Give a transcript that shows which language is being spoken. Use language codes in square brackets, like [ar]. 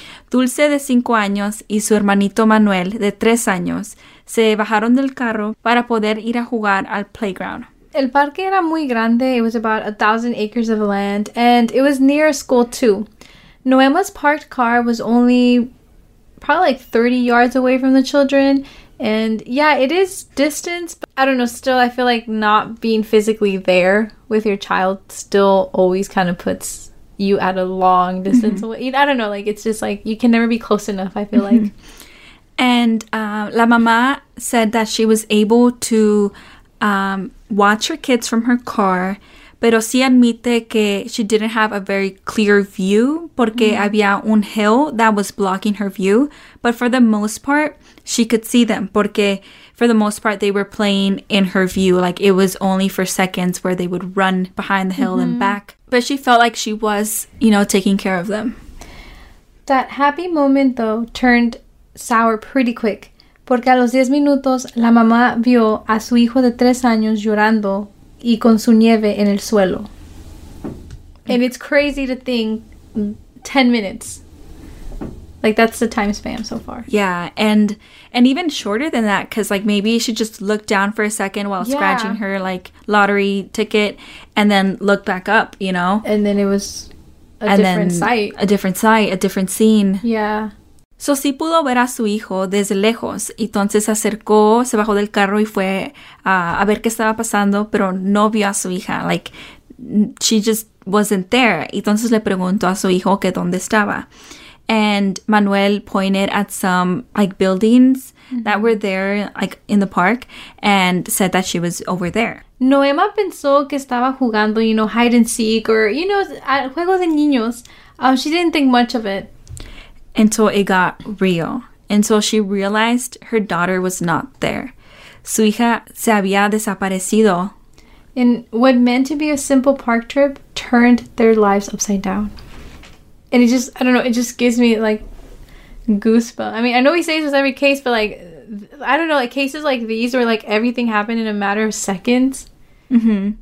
[es] Dulce, de 5 años, y su hermanito Manuel, de 3 años, se bajaron del carro para poder ir a jugar al playground. El parque era muy grande, [en] it was about 1,000 acres of land, and it was near a school too. Noema's parked car was only probably like 30 yards away from the children, and yeah, it is distance, but I don't know, still I feel like not being physically there with your child still always kind of puts you at a long distance away. I don't know, like it's just like you can never be close enough, I feel like. And [es] la mamá [en] said that she was able to watch her kids from her car, [es] pero sí admite que [en] she didn't have a very clear view [es] porque había un [en] hill that was blocking her view. But for the most part, she could see them [es] porque [en] for the most part, they were playing in her view. Like, it was only for seconds where they would run behind the hill and back. But she felt like she was, you know, taking care of them. That happy moment, though, turned sour pretty quick. [es] Porque a los 10 minutos, la mamá vio a su hijo de 3 años llorando y con su nieve en el suelo. [en] And it's crazy to think 10 minutes. Like, that's the time span so far. Yeah, and even shorter than that, because, like, maybe she just looked down for a second while scratching her, like, lottery ticket and then looked back up, you know? And then it was a different scene. Yeah. [es] So sí pudo ver a su hijo desde lejos, entonces se acercó, se bajó del carro y fue a ver qué estaba pasando, pero no vio a su hija, [en] like, she just wasn't there. [es] Entonces le preguntó a su hijo que dónde estaba. [en] And Manuel pointed at some, like, buildings that were there, like, in the park, and said that she was over there. Noema [es] pensó que estaba jugando, [en] you know, hide and seek, or, you know, at [es] juegos de niños. [en] She didn't think much of it. Until it got real. Until she realized her daughter was not there. [es] Su hija se había desaparecido. [en] And what meant to be a simple park trip turned their lives upside down. And it just, I don't know, it just gives me, like, goosebumps. I mean, I know he says this every case, but, like, I don't know, like, cases like these where, like, everything happened in a matter of seconds. Mm-hmm.